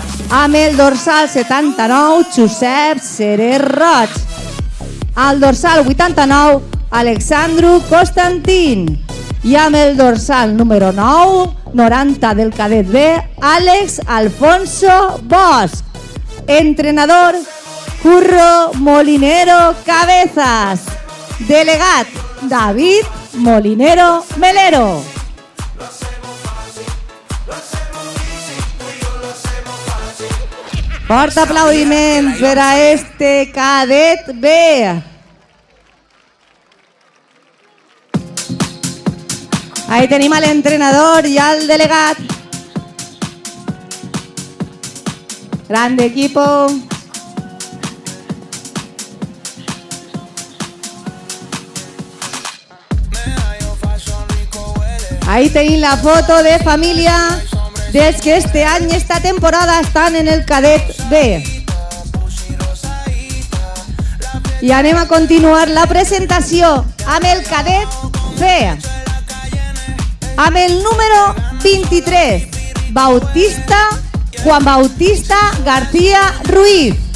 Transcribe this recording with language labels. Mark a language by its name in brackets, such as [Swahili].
[Catalan] Amb el dorsal 79, Josep Serer Roig. Al dorsal 89, Alexandru Constantín. I amb el dorsal número 9, 90 del cadet B, Àlex Alfonso Bosch. Entrenador, Curro Molinero Cabezas. Delegat, David Molinero Melero. [Spanish] Lo hacemos fácil, lo hacemos easy, tú y yo lo hacemos fácil. [Catalan] Porta aplaudiments per a este cadet B. Ahí tenim al entrenador y al delegat. [Spanish] Grande equipo. Ahí tenéis la foto de familia [Catalan] des que [Spanish] este año, esta temporada, están en el cadet B. Y [Catalan] anem [Spanish] a continuar la presentación amb el cadet C. [Catalan] Amb el número 23, Bautista Juan Bautista García Ruiz.